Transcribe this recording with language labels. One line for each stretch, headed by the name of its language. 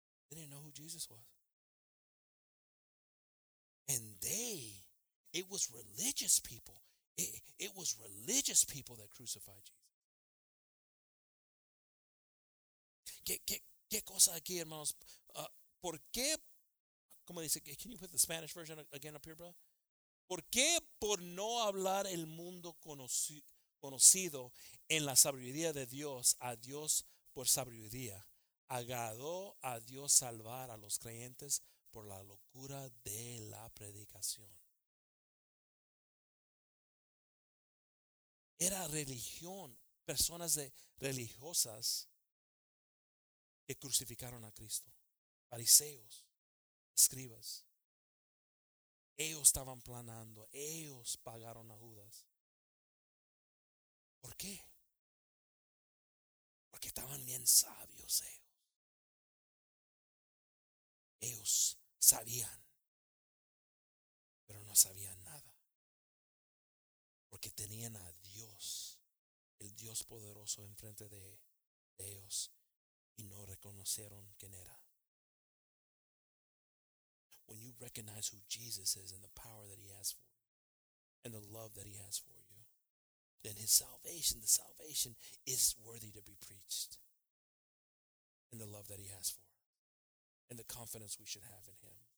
English: They didn't know who Jesus was. And they It was religious people. It was religious people that crucified Jesus.
Spanish: ¿Qué cosa aquí, hermanos? ¿Por qué? ¿Cómo dice?
English: Can you put the Spanish version again up here, bro?
Spanish: ¿Por qué por no hablar el mundo conocido en la sabiduría de Dios a Dios por sabiduría? Agradó a Dios salvar a los creyentes por la locura de la predicación. Era religión, personas religiosas que crucificaron a Cristo. Fariseos, escribas. Ellos estaban planeando, ellos pagaron a Judas. ¿Por qué? Porque estaban bien sabios ellos. Ellos sabían, pero no sabían nada. Porque tenían a Dios, el Dios poderoso, enfrente de ellos y no reconocieron quién era.
English: When you recognize who Jesus is and the power that he has for you and the love that he has for you, then his salvation, the salvation is worthy to be preached, and the love that he has for us and the confidence we should have in him.